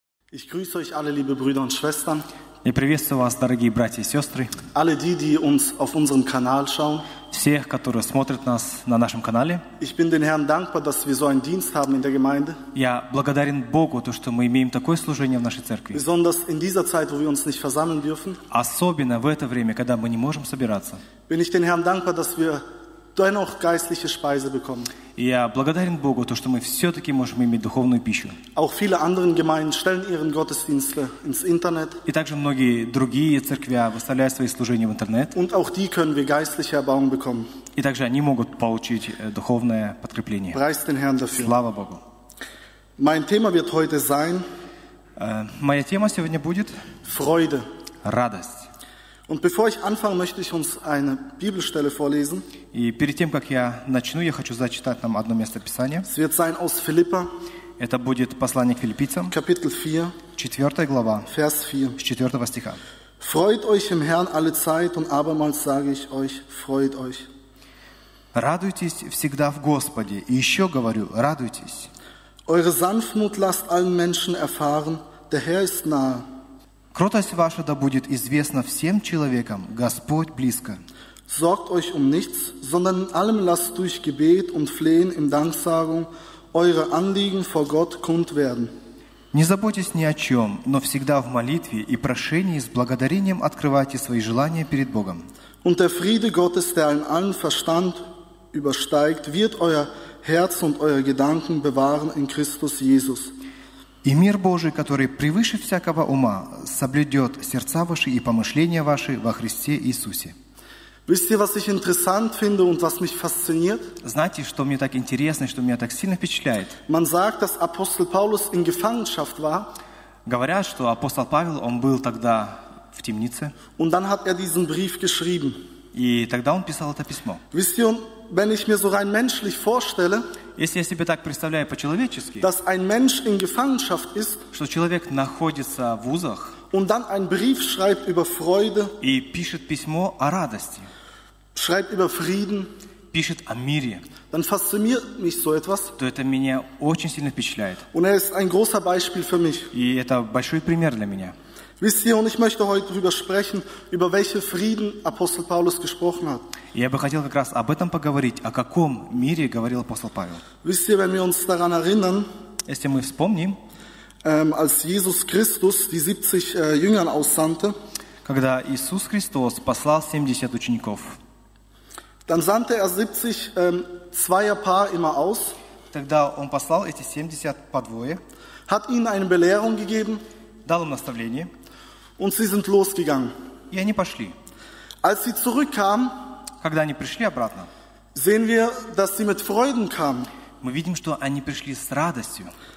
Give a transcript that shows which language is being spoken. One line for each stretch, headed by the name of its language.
German: Ich grüße euch alle, liebe Brüder und Schwestern.
Russian: Я приветствую вас, дорогие братья и сестры.
German: Alle die, die uns auf unserem Kanal schauen.
Russian: Всех, которые смотрят нас на нашем канале.
German: Ich bin den Herrn dankbar, dass wir so einen Dienst haben in der Gemeinde.
Russian: Я благодарен Богу, то, что мы имеем такое служение в нашей церкви.
German: Besonders in dieser Zeit, wo wir uns nicht versammeln dürfen.
Russian: Особенно в это время, когда мы не можем собираться.
German: Bin ich den Herrn dankbar, dass wir dennoch geistliche Speise bekommen.
Russian: Я благодарен Богу, то, что мы все-таки можем иметь духовную пищу.
German: Auch viele anderen Gemeinden stellen ihren Gottesdienst ins Internet.
Russian: И также многие другие церкви выставляют свои служения в интернет.
German: Und auch die können wir geistliche Erbauung bekommen.
Russian: И также они могут получить духовное подкрепление.
German: Preist den Herrn dafür.
Russian: Слава Богу.
German: Mein Thema wird heute sein.
Russian: Моя тема сегодня будет.
German: Freude.
Russian: Радость.
German: Und bevor ich anfange, möchte ich uns eine Bibelstelle vorlesen.
Russian: И перед тем, как я начну, я хочу зачитать нам одно место Писания.
German: Es wird sein aus Philippa.
Russian: Это будет послание к филиппийцам.
German: Kapitel 4.
Russian: 4. глава.
German: Vers 4.
Russian: С 4. стиха.
German: Freut euch im Herrn alle Zeit und abermals sage ich euch, freut euch.
Russian: Радуйтесь всегда в Господе. И еще говорю, радуйтесь.
German: Eure Sanftmut lasst allen Menschen erfahren, der Herr ist nahe.
Russian: Кротость ваша да будет известна всем человекам, Господь близко.
German: Sorgt euch um nichts, sondern in allem lasst durch Gebet und Flehen in Danksagung eure Anliegen vor Gott kund werden.
Russian: Не заботьтесь ни о чем, но всегда в молитве и прошении с благодарением открывайте свои желания перед Богом.
German: Und der Friede Gottes, der allen Verstand übersteigt, wird euer Herz und eure Gedanken bewahren in Christus Jesus.
Russian: И мир Божий, который превыше всякого ума, соблюдет сердца ваши и помышления ваши во Христе Иисусе.
German: Wisst ihr, was ich interessant finde und was mich fasziniert?
Russian: Знаете, что мне так интересно, что меня так сильно впечатляет?
German: Man sagt, dass Apostel Paulus in Gefangenschaft war.
Russian: Говорят, что апостол Павел, он был тогда в темнице.
German: Und dann hat er diesen Brief geschrieben.
Russian: И тогда он писал это письмо.
German: Wisst ihr, wenn ich mir so rein menschlich vorstelle,
Russian: если я себе так представляю по-человечески,
German: dass ein Mensch in Gefangenschaft ist,
Russian: что человек находится в узах,
German: und dann ein Brief schreibt über Freude,
Russian: и пишет письмо о радости,
German: schreibt über Frieden,
Russian: пишет о мире,
German: dann fasziniert mich so etwas,
Russian: то это меня очень сильно впечатляет.
German: Und er ist ein großer Beispiel für mich.
Russian: И это большой пример для меня.
German: Wisst ihr, und ich möchte heute darüber sprechen, über welche Frieden Apostel Paulus gesprochen hat.
Russian: Я бы хотел как раз об этом поговорить, о каком мире говорил апостол Павел.
German: Wisst ihr, wenn wir uns daran erinnern,
Russian: если мы вспомним,
German: als Jesus Christus die 70 Jüngern aussandte,
Russian: когда Иисус Христос послал 70 учеников,
German: dann sandte er 70 Zweierpaar immer aus,
Russian: тогда он послал эти 70 по двое,
German: hat ihnen eine Belehrung gegeben,
Russian: дал им наставление,
German: und sie sind losgegangen.
Russian: И они пошли.
German: Als sie zurückkamen,
Russian: когда они пришли обратно,
German: sehen wir, dass sie mit Freuden kamen.
Russian: Мы видим, что они пришли с радостью.